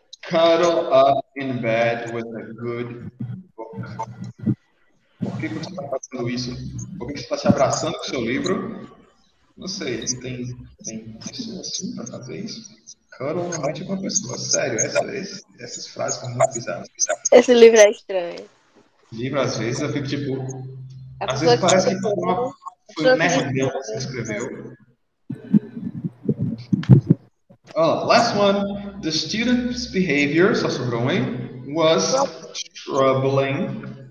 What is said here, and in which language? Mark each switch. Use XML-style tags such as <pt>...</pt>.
<en>Cuddle up in bed with a good book.</en> <pt>Por que você está fazendo isso? Por que você está se abraçando com o seu livro? Não sei, tem pessoa assim para fazer isso? Cuddle na noite com a pessoa. Sério, essas frases são muito bizarras. Esse livro é estranho. Livro, às vezes, eu fico tipo. Às vezes parece que foi um merdeu que você escreveu.</pt> <en>Oh, last one. The student's behavior,</en> <pt>só sobrou um,</pt> <en>was troubling.</en>